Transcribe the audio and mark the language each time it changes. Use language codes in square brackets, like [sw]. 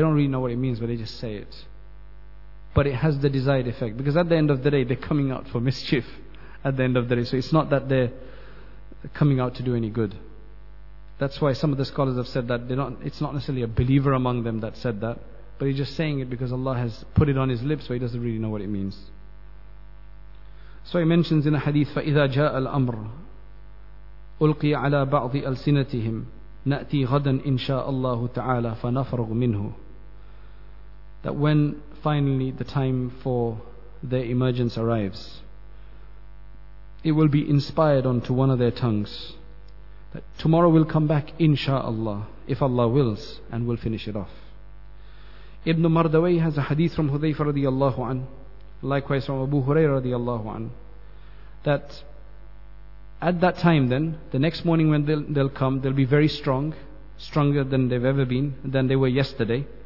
[en] They don't really know what it means, but they just say it. But it has the desired effect, because at the end of the day, they're coming out for mischief at the end of the day. So it's not that they're coming out to do any good. That's why some of the scholars have said that it's not necessarily a believer among them that said that, but he's just saying it because Allah has put it on his lips, but he doesn't really know what it means. So he mentions in a hadith, [ar] فَإِذَا جَاءَ الْأَمْرُ أُلْقِيَ عَلَىٰ بَعْضِ أَلْسِنَتِهِمْ نَأْتِي غَدًا إِنْ شَاءَ اللَّهُ تَعَالَىٰ فَنَفْرُغْ مِنْهُ. [en] That when finally the time for their emergence arrives, it will be inspired onto one of their tongues. That tomorrow we'll come back, inshaAllah, if Allah wills, and we'll finish it off. Ibn Mardaway has a hadith from Hudhayfa radiallahu an, likewise from Abu Hurairah radiallahu an, that at that time then, the next morning when they'll come, they'll be very strong, stronger than they've ever been, than they were yesterday.